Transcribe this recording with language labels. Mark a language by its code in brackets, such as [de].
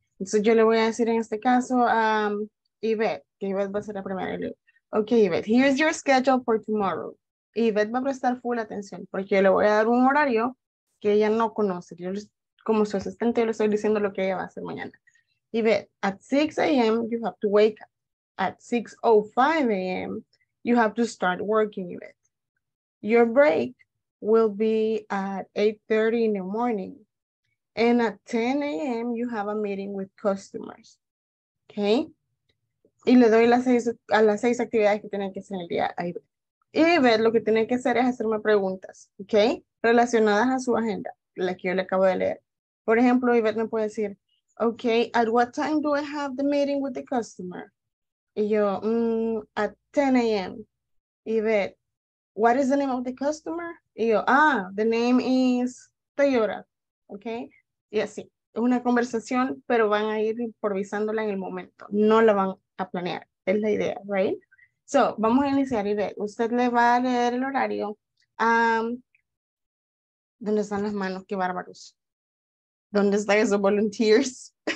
[es] Entonces yo le voy a decir en este caso a Yvette, que Yvette va a ser la primera. [en] Okay, Yvette, here's your schedule for tomorrow. [es] Yvette va a prestar full atención porque yo le voy a dar un horario que ella no conoce. Como su asistente, yo le estoy diciendo lo que ella va a hacer mañana. [en] Y ve, at 6 a.m., you have to wake up. At 6:05 a.m., you have to start working, Yvette. Your break will be at 8:30 in the morning. And at 10 a.m., you have a meeting with customers. Okay? [es] Y le doy las seis actividades que tienen que hacer en el día a Yvette. Y ve, lo que tiene que hacer es hacerme preguntas, okay, relacionadas a su agenda, la que yo le acabo de leer. Por ejemplo, Yvette me puede decir, [en] okay, at what time do I have the meeting with the customer? [es] Y yo, [en] at 10 a.m. Yvette, what is the name of the customer? [es] Y yo, [en] the name is Toyota. Okay? [es] Y así, es una conversación, pero van a ir improvisándola en el momento. No la van a planear. Es la idea, right? So, vamos a iniciar, Yvette. Usted le va a leer el horario. ¿Dónde están las manos? ¡Qué bárbaros! ¿Dónde están esos volunteers?